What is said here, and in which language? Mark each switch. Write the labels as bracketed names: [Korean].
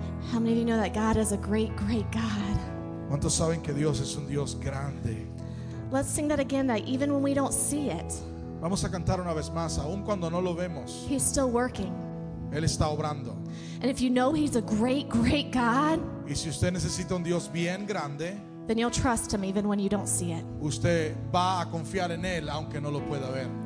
[English] How many of you know that God is a great, great God? [Spanish] ¿Cuántos saben que Dios es un Dios grande? [English] Let's sing that again, that even when we don't see it, [Spanish] vamos a cantar una vez más, aun cuando no lo vemos, [English] He's still working. [Spanish] Él está obrando. [English] And if you know He's a great, great God, [Spanish] y si usted necesita un Dios bien grande, [English] then you'll trust Him even when you don't see it. [Spanish] Usted va a confiar en Él, aunque no lo pueda ver.